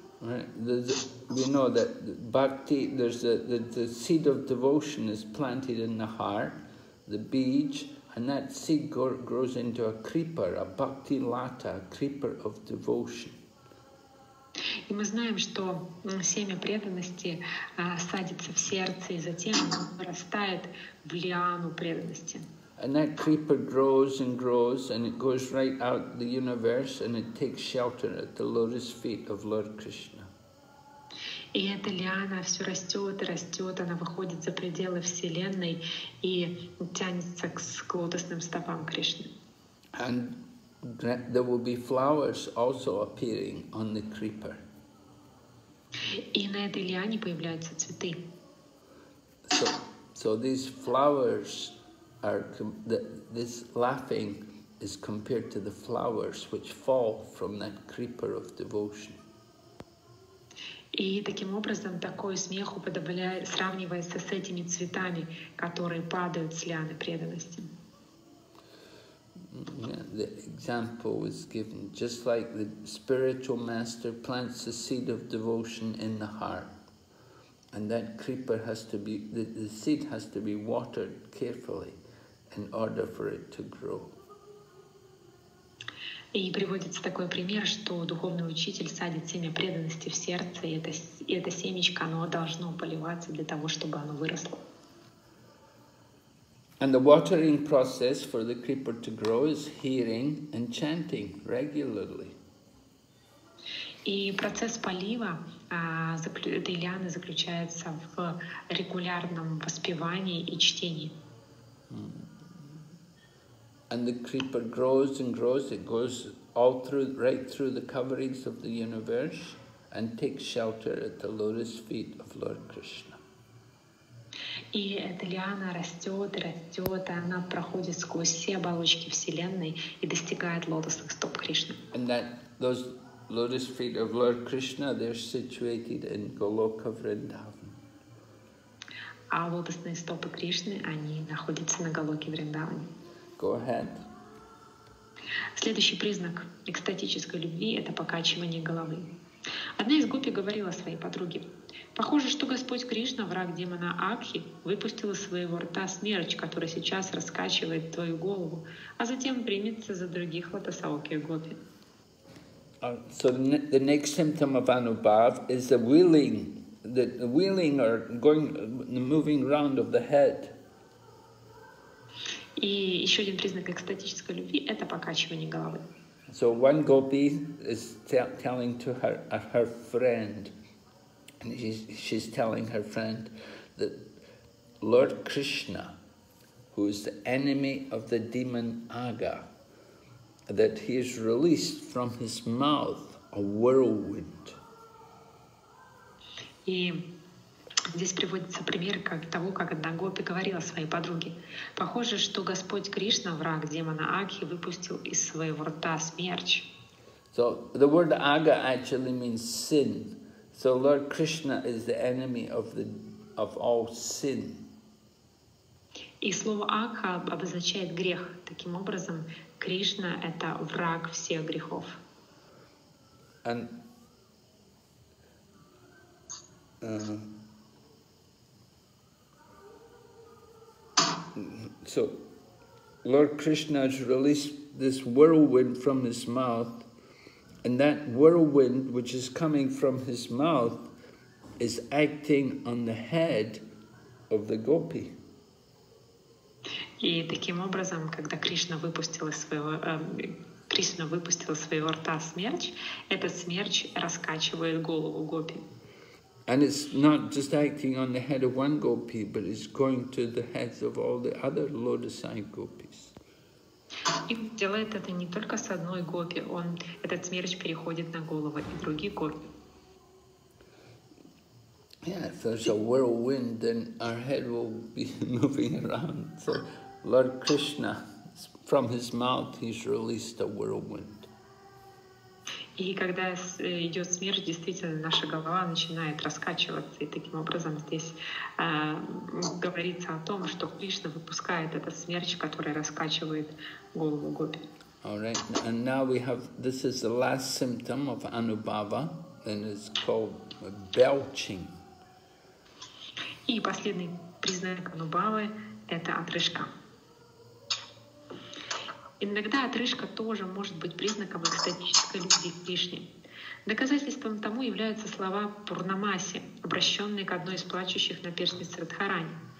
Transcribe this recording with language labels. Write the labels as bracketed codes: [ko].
[en] We know that bhakti, there's the seed of devotion is planted in the heart, the bij, and that seed grows into a creeper, a bhakti lata, a creeper of devotion. [ru] И мы знаем, что семя преданности садится в сердце, и затем вырастает в лиану преданности. [en] And that creeper grows and grows, and it goes right out the universe, and it takes shelter at the lotus feet of Lord Krishna. [ru] И эта лиана все растет и растет, она выходит за пределы вселенной и тянется к лотосным стопам Кришны. [en] And there will be flowers also appearing on the creeper. [ru] И на этой лиане появляются цветы. [en] So these flowers are this laughing is compared to the flowers which fall from that creeper of devotion. [ru] И таким образом такой смех сравнивается с этими цветами, которые падают с лианы преданности. [en] The example was given, just like the spiritual master plants the seed of devotion in the heart, and that creeper has to be, the seed has to be watered carefully in order for it to grow. [ru] И приводится такой пример, что духовный учитель садит семя преданности в сердце, и это семечко, оно должно поливаться для того, чтобы оно выросло. [en] And the watering process for the creeper to grow is hearing and chanting regularly. [ru] И процесс полива этой лианы заключается в регулярном воспевании и чтении. [en] And the creeper grows and grows. It goes all through, right through the coverings of the universe, and takes shelter at the lotus feet of Lord Krishna. [ru] И эта лиана растет и растет, и она проходит сквозь все оболочки Вселенной и достигает лотосных стоп Кришны. [en] And that those lotus feet of Lord Krishna, they're situated in Goloka Vrindavan. [ru] А лотосные стопы Кришны, они находятся на Голоке Вриндаване. [en] Go ahead. [ru] Следующий признак экстатической любви — это покачивание головы. Одна из гопи говорила своей подруге: «Похоже, что Господь Кришна, враг демона Акхи, выпустил из своего рта смерч, который сейчас раскачивает твою голову, а затем примется за других лотосаокхи гопи». [en] So the next symptom of anubhav is the wheeling or going, the moving round of the head. [ru] И еще один признак экстатической любви — это покачивание головы. [en] So one gopi is telling to her friend, and she's telling her friend that Lord Krishna, who is the enemy of the demon Aga, that he has released from his mouth a whirlwind. [ru] И здесь приводится пример как того, как одна гопи говорила своей подруге: «Похоже, что Господь Кришна, враг демона Агхи, выпустил из своего рта смерч». [en] So the word Aga actually means sin. So Lord Krishna is the enemy of all sin. [ru] И слово Агха обозначает грех. Таким образом, Кришна — это враг всех грехов. [en] So Lord Krishna has released this whirlwind from his mouth, and that whirlwind which is coming from his mouth is acting on the head of the gopi. [ru] И таким образом, когда Кришна выпустил из своего рта смерч, этот смерч раскачивает голову гопи. [en] And it's not just acting on the head of one gopi, but it's going to the heads of all the other lotus-eyed gopis. [ru] И делает это не только с одной гопи, он этот смерч переходит на головы и других гопи. [en] Yeah, if there's a whirlwind, then our head will be moving around. So Lord Krishna, from his mouth, he's released a whirlwind. [ru] И когда идет смерть, действительно, наша голова начинает раскачиваться. И таким образом здесь говорится о том, что Кришна выпускает этот смерч, который раскачивает голову гопи. [en] All right. And now we have, this is the last symptom of anubhava, and it's called belching. [ru] И последний признак анубавы — это отрыжка. Иногда отрыжка тоже может быть признаком экстатической любви к Кришне. Доказательством тому являются слова Пурнамаси, обращенные к одной из плачущих на перстнице Радхарани.